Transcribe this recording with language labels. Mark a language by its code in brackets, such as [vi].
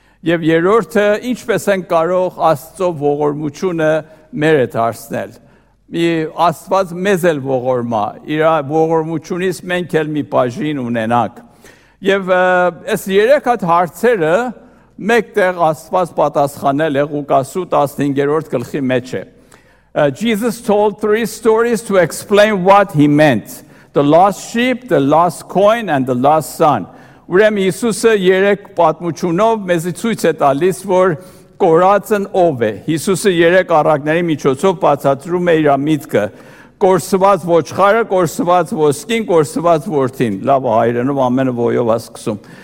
[hy] եւ երրորդը ինչպես են կարող Աստծո ողորմությունը մեր հետ դարձնել։ Մի Աստված մեզ էլ ողորմա, իր ողորմությունից մենք էլ մի բաժին ունենանք։ Եվ այս երեք հատ հարցերը մեկտեղ Աստված պատասխանել է Ղուկասու 15-րդ գլխի մեջ։ [en] Jesus told three stories to explain what he meant. The lost sheep, the lost coin, and the lost son. [hy] Ուրեմն Հիսուսը երեք պատմությունով մեզի ցույց է տալիս, որ կորածն ով է։ Հիսուսը երեք առակների միջոցով բացատրում է իր միտքը. Կորսված ոչխարը, կորսված ոսկին, կորսված որդին։ Լավ, հայերենով ամենը ոյով է սկսում։